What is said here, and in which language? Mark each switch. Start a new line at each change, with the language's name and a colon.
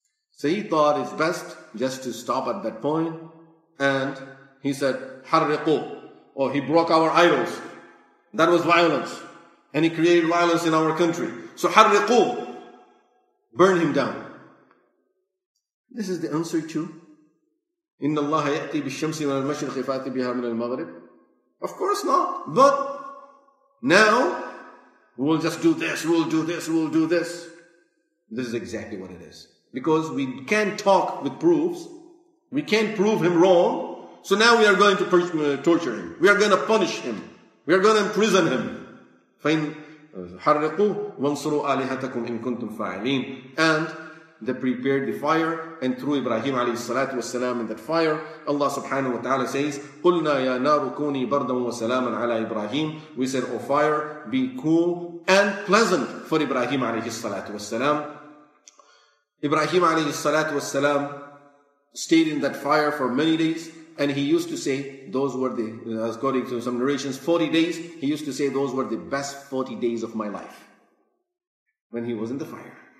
English: So he thought it's best just to stop at that point. And he said, harriqu, or he broke our idols. That was violence. And he created violence in our country. So harriqu, burn him down. This is the answer to
Arabic: إِنَّ اللَّهَ يَأْتِي بِالشَّمْسِ مَنَ الْمَشْرِقِ فَأَتِي بِهَا مِنَ الْمَغْرِبِ.
English: Of course not. But now, we'll just do this, we'll do this, we'll do this. This is exactly what it is. Because we can't talk with proofs. We can't prove him wrong. So now we are going to torture him. We are going to punish him. We are going to imprison him.
Arabic: فَإِنْ حَرِّقُوا وَانْصُرُوا آلِهَتَكُمْ إِن كُنْتُمْ فَاعِلِينَ.
English: And they prepared the fire and threw Ibrahim alayhi salatu was salam in that fire. Allah subhanahu wa ta'ala says,
Arabic: قُلْنَا يَا نَارُ كُونِي بَرْدًا وَسَلَامًا عَلَىٰ إِبْرَاهِيمٍ.
English: We said, oh fire, be cool and pleasant for Ibrahim alayhi salatu was salam. Ibrahim alayhi salatu was salam stayed in that fire for many days. And he used to say, those were the, according to some narrations, 40 days. He used to say, those were the best 40 days of my life. When he was in the fire.